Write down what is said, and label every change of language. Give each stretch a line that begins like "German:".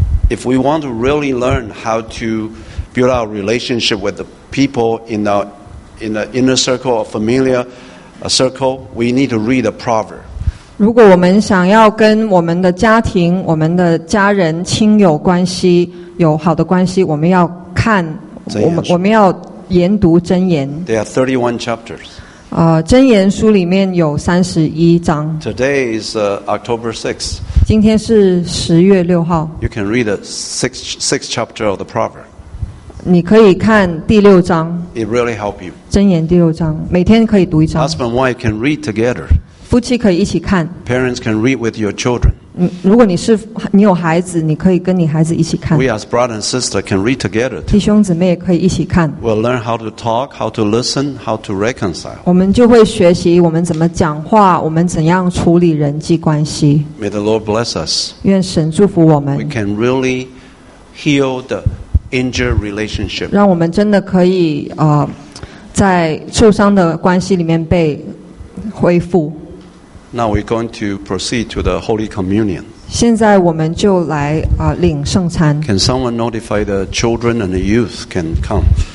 English: If we want to really learn how to build our relationship with the people in the inner circle of familiar. A circle. We need to read a proverb.
Chinese: 如果我们想要跟我们的家庭、我们的家人、亲友关系有好的关系，我们要看我们要研读箴言。
English: There are 31 chapters.
Chinese: 箴言书里面有31章。
English: Today is October 6th.
Chinese: 今天是10月6号。
English: You can read the sixth chapter of the proverb.
Chinese: 你可以看第六章。
English: It really help you.
Chinese: 箴言第六章，每天可以读一章。
English: Husband wife can read together.
Chinese: 夫妻可以一起看。
English: Parents can read with your children.
Chinese: 如果你有孩子，你可以跟你孩子一起看。
English: We as brother and sister can read together.
Chinese: 弟兄姊妹也可以一起看。
English: We'll learn how to talk, how to listen, how to reconcile.
Chinese: 我们就会学习我们怎么讲话，我们怎样处理人际关系。
English: May the Lord bless us.
Chinese: 愿神祝福我们。
English: We can really heal the. Injured relationship.
Chinese: 让我们真的可以在受伤的关系里面被恢复。
English: Now we're going to proceed to the Holy Communion.
Chinese: 现在我们就来领圣餐。
English: Can someone notify the children and the youth can come?